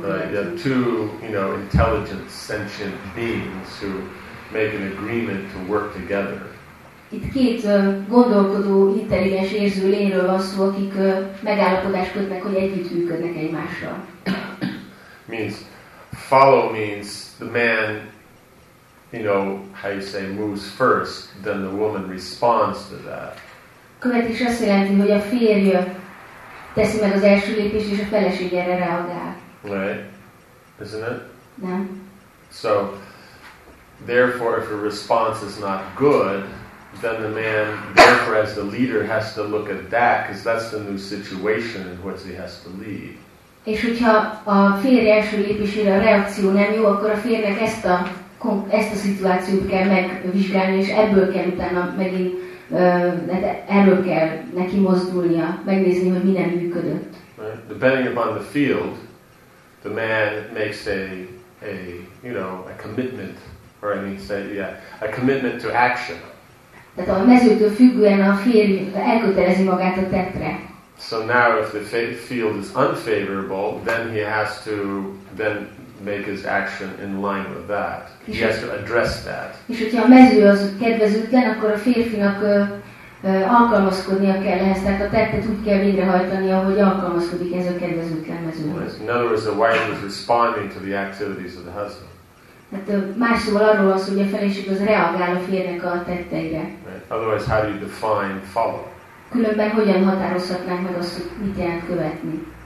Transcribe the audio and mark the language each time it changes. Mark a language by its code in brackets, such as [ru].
[en] Two, you know, intelligent, sentient beings who make an agreement to work together. [hu] Itt két gondolkodó, intelligens érző lényről van szó, akik megállapodást kötnek, hogy együttműködnek egymással. [en] Means, follow means the man, you know, how you say, moves first, then the woman responds to that. [hu] Követés azt jelenti, hogy a férj teszi meg az első lépést, és a feleség erre reagál. [en] Right? Isn't it? [hu] Nem. [en] So, therefore, if a response is not good, then the man, therefore as the leader, has to look at that, because that's the new situation in which he has to lead. [hu] És hogyha a férj első lépésére a reakció nem jó, akkor a férjnek ezt a szituációt kell megvizsgálni, és ebből kell utána megint, erről kell neki mozdulnia, megnézni, hogy mi nem működött. [en] Right. Depending upon the field, the man makes a commitment, or I mean say, yeah, a commitment to action. [hu] Tehát a mezőtől függően a férj elkötelezi magát a tettre. [en] So now if the field is unfavorable, then he has to then make his action in line with that. He has to address that. [hu] És hogyha a mező az kedvezőtlen, akkor a férfinak alkalmazkodnia kell ehhez. Tehát a tettet úgy kell végrehajtani, ahogy alkalmazkodik ez a kedvezőtlen mezőhöz. [en] In other words, the wife is responding to the activities of the husband. [hu] Hát más szóval arról az, hogy a feleség az reagál a férjnek a tetteire. [en] Right. Otherwise, how do you define follow? [hu] Különben hogyan határozhatnánk meg azt, hogy mit jelent követni?